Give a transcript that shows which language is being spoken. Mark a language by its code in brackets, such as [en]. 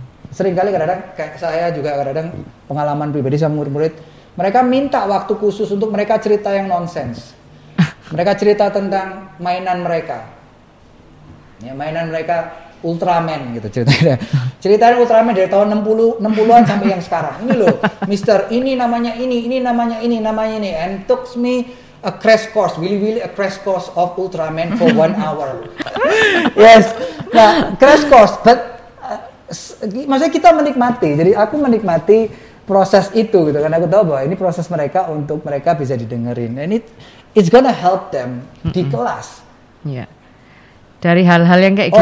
[id] Seringkali kadang-kadang kayak saya juga kadang-kadang pengalaman pribadi sama murid-murid, mereka minta waktu khusus untuk mereka cerita yang nonsens. Mereka cerita tentang mainan mereka. Ya, mainan mereka Ultraman gitu ceritanya. Ceritanya Ultraman dari tahun 60-an sampai yang sekarang. Ini loh, Mister, ini namanya ini. [en] And took me a crash course, really a crash course of Ultraman for 1 hour. [id] Yes, nah, crash course, but maksudnya kita menikmati, jadi aku menikmati proses itu gitu, karena aku tahu bahwa ini proses mereka untuk mereka bisa didengerin, [en] and it's gonna help them [id] di kelas. Yeah. Dari hal-hal yang kayak gitu.